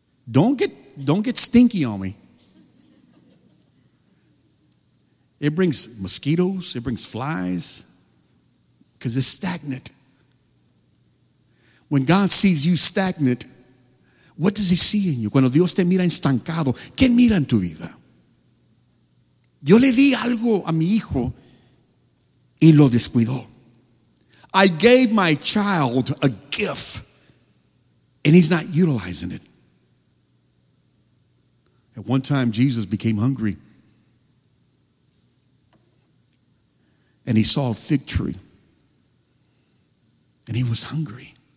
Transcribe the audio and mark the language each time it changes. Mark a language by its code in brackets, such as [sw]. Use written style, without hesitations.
[en] Don't get stinky on me. It brings mosquitoes. It brings flies. Because it's stagnant. When God sees you stagnant, what does he see in you? [es] Cuando Dios te mira estancado, ¿qué mira en tu vida? Yo le di algo a mi hijo y lo descuidó. [en] I gave my child a gift and he's not utilizing it. At one time, Jesus became hungry and he saw a fig tree and he was hungry.